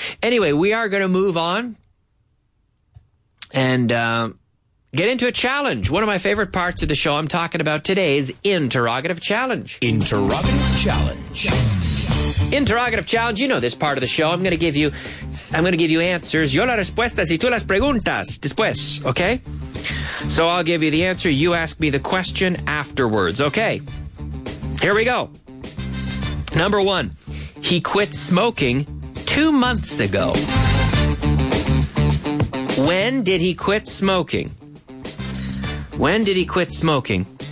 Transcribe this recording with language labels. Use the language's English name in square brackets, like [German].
[English] Anyway, we are going to move on and get into a challenge. One of my favorite parts of the show I'm talking about today is Interrogative Challenge. Interrogative Challenge. Interrogative Challenge. You know this part of the show. I'm going to give you answers. [Spanish] Yo las respuestas y tú las preguntas después. [English] Okay? So I'll give you the answer. You ask me the question afterwards. Okay? Here we go. Number one. He quit smoking 2 months ago. When did he quit smoking? When did he quit smoking?